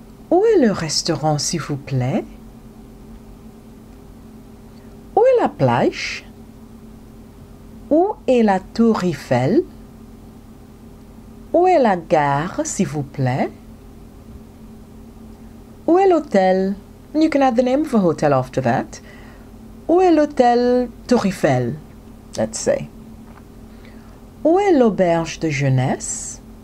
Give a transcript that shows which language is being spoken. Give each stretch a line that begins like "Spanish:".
French: Où est le restaurant, s'il vous plaît? Où est la plage? Où est la tour Eiffel? Où est la gare, s'il vous plaît? Où est l'hôtel?
English: You can add the name of a hotel after that.
French: Où est l'hôtel Tour Eiffel,
English: let's say.
French: Où est l'auberge de jeunesse?